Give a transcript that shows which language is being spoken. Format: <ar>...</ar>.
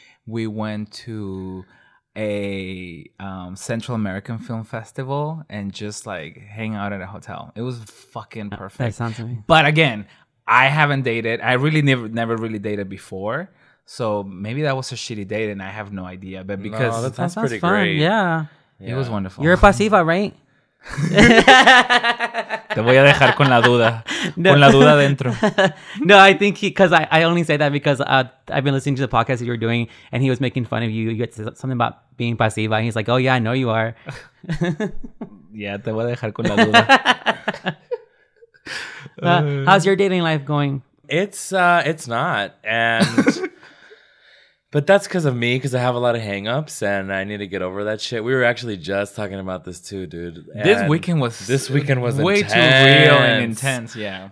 <en>We went to a Central American Film Festival and just like hang out at a hotel. It was fucking perfect. That sounds amazing. But again, I haven't dated. I really never really dated before. So maybe that was a shitty date and I have no idea. But because that sounds pretty great. Yeah. It was wonderful. You're a pasiva, right?</en> <es>Te voy a dejar con la duda. No. Con la duda dentro.</es> <en>No, I think because I only say that because I've been listening to the podcast that you were doing and he was making fun of you. You had something about being pasiva. And he's like, oh, yeah, I know you are.</en> <es>Yeah, te voy a dejar con la duda.</es> <en>How's your dating life going? It's not, and but that's because of me, because I have a lot of hangups and I need to get over that shit. We were actually just talking about this too, dude. And this weekend was way intense. Too real and intense. Yeah,</en>